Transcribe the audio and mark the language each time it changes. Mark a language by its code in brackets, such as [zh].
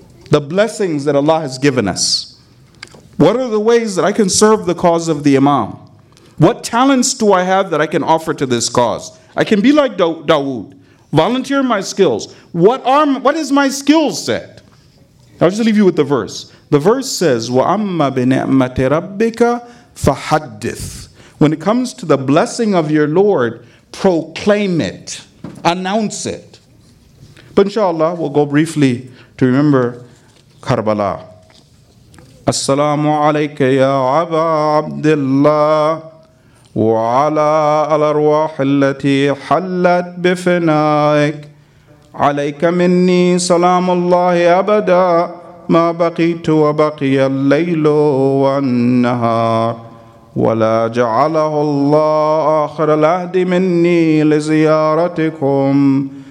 [en] The blessings that Allah has given us. What are the ways that I can serve the cause of the imam? What talents do I have that I can offer to this cause? I can be like Dawood. Volunteer my skills. What is my skill set? I'll just leave you with the verse. The verse says, [ar] وَأَمَّا بِنِعْمَةِ رَبِّكَ فَحَدِّثْ. [en] When it comes to the blessing of your Lord, proclaim it. Announce it. But inshallah, we'll go briefly to remember Karbala. [ar] As-salamu alayka ya Aba Abdullah. وعلى الأرواح التي حلت بفنائك عليك مني سلام الله أبدا ما بقيت وبقي الليل والنهار ولا جعله الله آخر العهد مني لزيارتكم